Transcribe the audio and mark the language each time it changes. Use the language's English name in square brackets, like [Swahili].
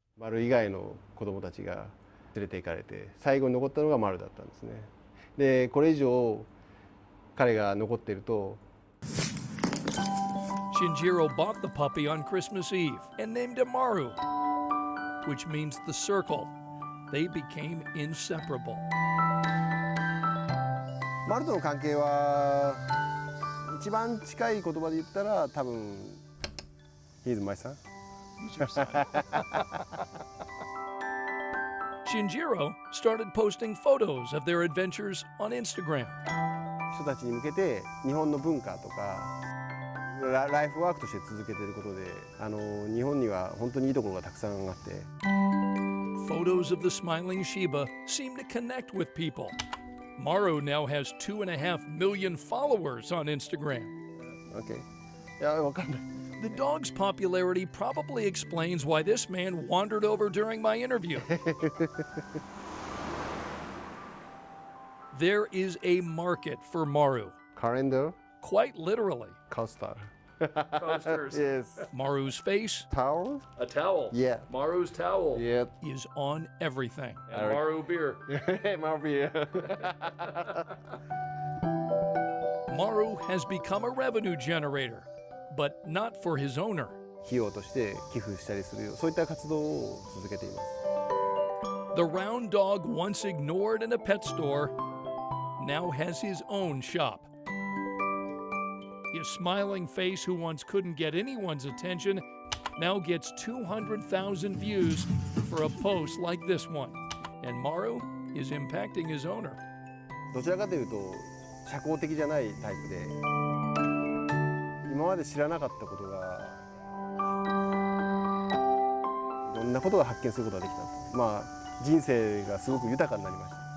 [Japanese] Maru 以外の子供たちが連れて行かれて、最後に残ったのがマルだったんですね。で、これ以上彼が残っていると。 [English] Shinjiro bought the puppy on Christmas Eve and named him Maru, which means the circle. They became inseparable. [Japanese] Maru との関係は一番近い言葉で言ったら多分 [English] He's my son. Shinjiro started posting photos of their adventures on Instagram. [Japanese] 人たちに向けて日本の文化とかライフワークとして続けていることで、日本には本当にいいところがたくさんあって。 [English] Photos of the smiling Shiba seem to connect with people. Maru now has 2.5 million followers on Instagram. Okay. Yeah, I understand. The dog's popularity probably explains why this man wandered over during my interview. There is a market for Maru. Calendar? Quite literally. Coaster. Posters. Yes. Maru's face. Towel? A towel. Yeah. Maru's towel. Yep. Is on everything. And right. Maru beer. Maru beer. Maru has become a revenue generator, but not for his owner. [Japanese] 費用として寄付したりするよ。そういった活動を続けています。 [English] The round dog once ignored in a pet store now has his own shop. His smiling face, who once couldn't get anyone's attention, now gets 200,000 views for a post like this one. And Maru is impacting his owner. [Japanese] どちらかというと、社交的じゃないタイプで、今まで知らなかったことが、いろんなことが発見することができた。まあ、人生がすごく豊かになりました。